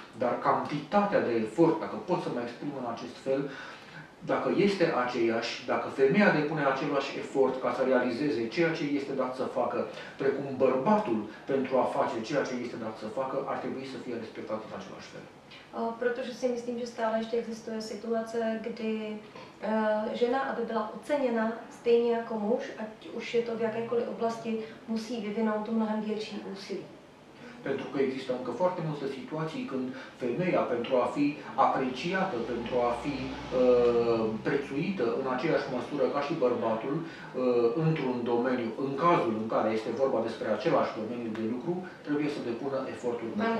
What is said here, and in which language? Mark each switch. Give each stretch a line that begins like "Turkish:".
Romanian: Dar cantitatea de efort, dacă pot să mă exprim în acest fel, dacă este aceeași, dacă femeia depune același efort ca să realizeze ceea ce este dat să facă, precum bărbatul pentru a face ceea ce este dat să facă, ar trebui să fie respectat în același fel.
Czech: Protože si myslím, že stále ještě existuje situace, kdy žena, aby byla oceněna stejně jako muž, ať už je to v jakékoliv oblasti, musí vyvinout mnohem větší úsilí.
Romanian: Pentru că există încă foarte multe situații când femeia, pentru a fi apreciată, pentru a fi prețuită în aceeași măsură ca și bărbatul, într-un domeniu, în cazul în care este vorba despre același domeniu de lucru, trebuie să depună eforturi mai mari.